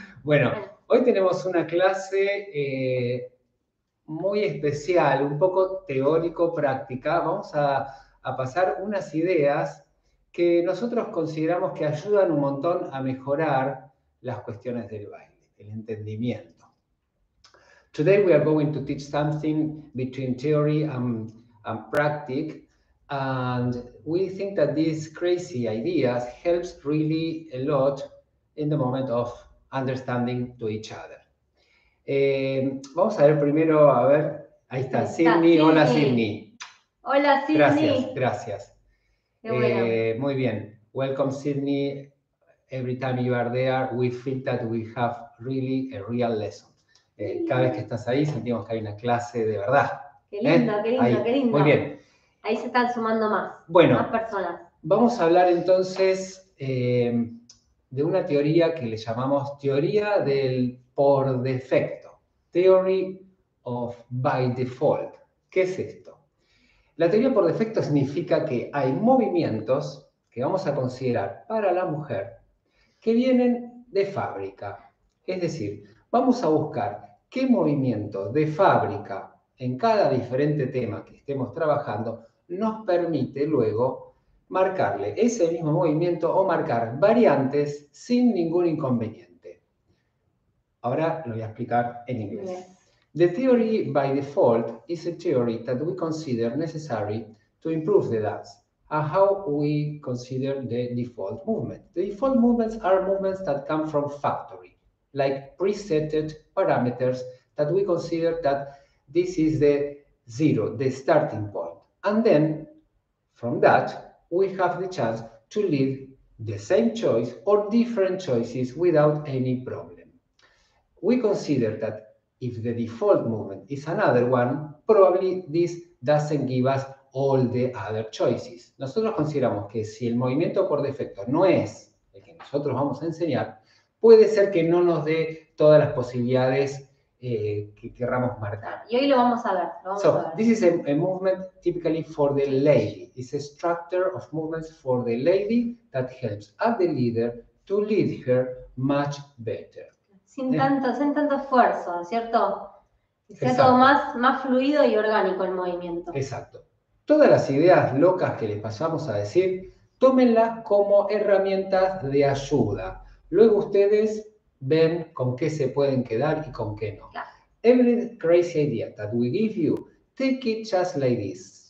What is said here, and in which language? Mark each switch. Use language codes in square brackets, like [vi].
[es] Bueno, hoy tenemos una clase muy especial, un poco teórico-práctica. Vamos a pasar unas ideas que nosotros consideramos que ayudan un montón a mejorar las cuestiones del baile, el entendimiento. [en] Today we are going to teach something between theory and practice, and we think that these crazy ideas helps really a lot in the moment of understanding to each other. [es] Vamos a ver primero, a ver, ahí está, Sidney. Hola Sidney. Hola Sidney. Gracias. Muy bien. [en] Welcome Sidney. Every time you are there, we feel that we have really a real lesson. [es] Cada vez que estás ahí sentimos que hay una clase de verdad. Qué lindo. Muy bien. Ahí se están sumando más. Bueno, más personas. Vamos a hablar entonces de una teoría que le llamamos teoría del por defecto. [en] Theory of by default. [es] ¿Qué es esto? La teoría por defecto significa que hay movimientos que vamos a considerar para la mujer que vienen de fábrica. Es decir, vamos a buscar qué movimientos de fábrica en cada diferente tema que estemos trabajando nos permite luego marcarle ese mismo movimiento o marcar variantes sin ningún inconveniente. Ahora lo voy a explicar en inglés. Yes. [en] The theory by default is a theory that we consider necessary to improve the dance and how we consider the default movement. The default movements are movements that come from factory, like presetted parameters that we consider that this is the zero, the starting point. And then from that, we have the chance to leave the same choice or different choices without any problem. We consider that if the default movement is another one, probably this doesn't give us all the other choices. [es] Nosotros consideramos que si el movimiento por defecto no es el que nosotros vamos a enseñar, puede ser que no nos dé todas las posibilidades que queramos marcar. Y hoy lo vamos a ver. [en] This is a movement typically for the lady. It's a structure of movements for the lady that helps at the leader to lead her much better. [es] Sin tanto esfuerzo, ¿cierto? Que sea todo más fluido y orgánico el movimiento. Exacto. Todas las ideas locas que les pasamos a decir, tómenlas como herramientas de ayuda. Luego ustedes ven con qué se pueden quedar y con qué no. [en] Yeah. Every crazy idea that we give you, take it just like this.